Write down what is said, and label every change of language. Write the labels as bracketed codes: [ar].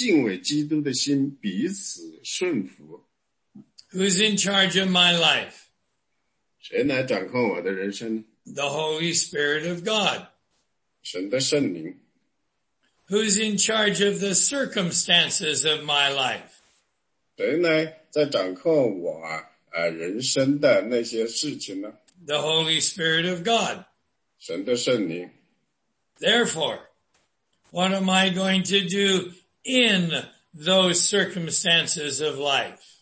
[zh] 所以呢，第21节说呢，又当存敬畏基督的心彼此顺服。 [en] Who's in charge of my life? [zh] 谁来掌控我的人生呢？ [en] The Holy Spirit of God. [zh] 神的圣灵。 [en] Who's in charge of the circumstances of my life? [zh] 谁来在掌控我人生的那些事情呢？ [en] The Holy Spirit of God. [zh] 神的圣灵。 [en] Therefore, what am I going to do in those circumstances of life?